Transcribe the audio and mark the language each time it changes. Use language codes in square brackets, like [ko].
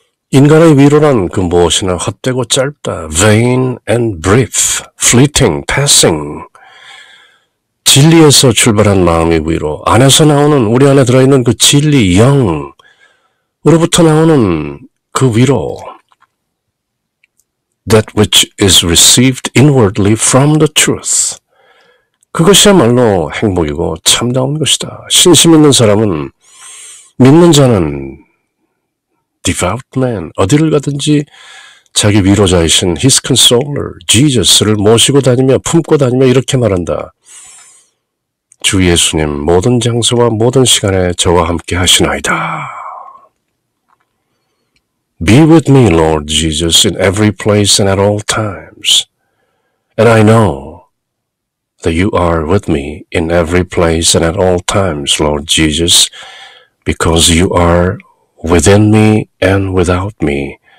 [ko] 인간의 위로란 그 무엇이나 헛되고 짧다. [en] Vain and brief, fleeting, passing. [ko] 진리에서 출발한 마음의 위로, 안에서 나오는 우리 안에 들어있는 그 진리, 영으로부터 나오는 그 위로. [en] That which is received inwardly from the truth. [ko] 그것이야말로 행복이고 참다운 것이다. 신심 있는 사람은, 믿는 자는 [en] devout man, [ko] 어디를 가든지 자기 위로자이신 [en] his consoler, [ko] Jesus를 모시고 다니며 품고 다니며 이렇게 말한다. 주 예수님 모든 장소와 모든 시간에 저와 함께 하시나이다. [en] Be with me, Lord Jesus, in every place and at all times. And I know that you are with me in every place and at all times, Lord Jesus, because you are within me and without me.